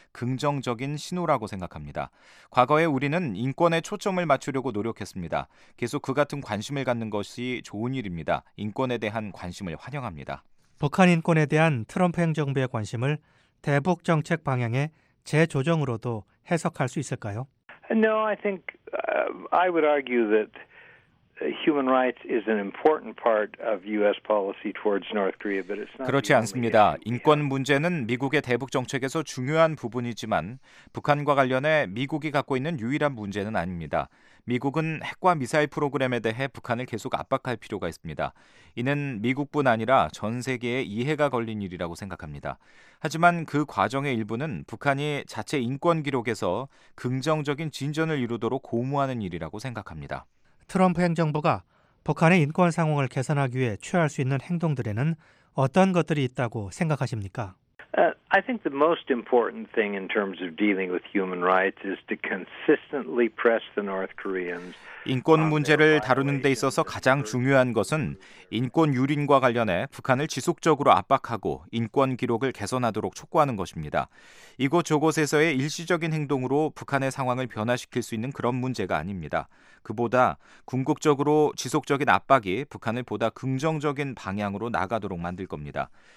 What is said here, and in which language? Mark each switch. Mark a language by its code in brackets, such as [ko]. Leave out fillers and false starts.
[ko] 긍정적인 신호라고 생각합니다. 과거에 우리는 인권에 초점을 맞추려고 노력했습니다. 계속 그 같은 관심을 갖는 것이 좋은 일입니다. 인권에 대한 관심을 환영합니다. 북한 인권에 대한 트럼프 행정부의 관심을 대북 정책 방향의 재조정으로도 해석할 수 있을까요? [en] No, I think I would argue that human rights is an important part of US policy towards North Korea, but it's not. [ko] 그렇지 않습니다. 인권 문제는 미국의 대북 정책에서 중요한 부분이지만 북한과 관련해 미국이 갖고 있는 유일한 문제는 아닙니다. 미국은 핵과 미사일 프로그램에 대해 북한을 계속 압박할 필요가 있습니다. 이는 미국뿐 아니라 전 세계에 이해가 걸린 일이라고 생각합니다. 하지만 그 과정의 일부는 북한이 자체 인권 기록에서 긍정적인 진전을 이루도록 고무하는 일이라고 생각합니다. 트럼프 행정부가 북한의 인권 상황을 개선하기 위해 취할 수 있는 행동들에는 어떤 것들이 있다고 생각하십니까? [en] I think the most important thing in terms of dealing with human rights is to consistently press the North Koreans. [ko] 인권 문제를 다루는 데 있어서 가장 중요한 것은 인권 유린과 관련해 북한을 지속적으로 압박하고 인권 기록을 개선하도록 촉구하는 것입니다. 이곳 저곳에서의 일시적인 행동으로 북한의 상황을 변화시킬 수 있는 그런 문제가 아닙니다. 그보다 궁극적으로 지속적인 압박이 북한을 보다 긍정적인 방향으로 나가도록 만들 겁니다.